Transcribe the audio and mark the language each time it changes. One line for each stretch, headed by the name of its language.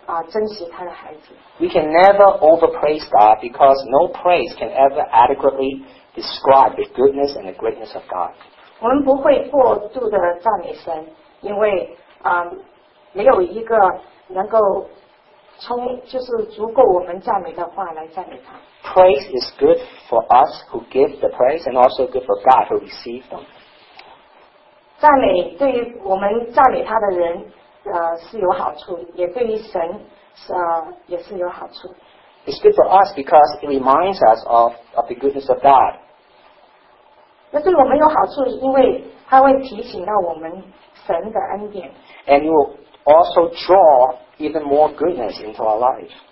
Chinese: 珍惜他的孩子。
English: We can never overpraise God because no praise can ever adequately describe the goodness and the greatness of God.
Chinese: 我们不会过度的赞美神，因为没有一个能够充就是足够我们赞美的话来赞美他。
English: Praise is good for us who give the praise and also good for God who receives them.
Chinese: 赞美对于我们赞美他的人。是有好处，也对于神是也是有好处。
English: It's good for us because it reminds us of the goodness of God.
Chinese: 那对我们有好处，因为它会提醒到我们神的恩典。
English: And you also draw even more goodness into our life.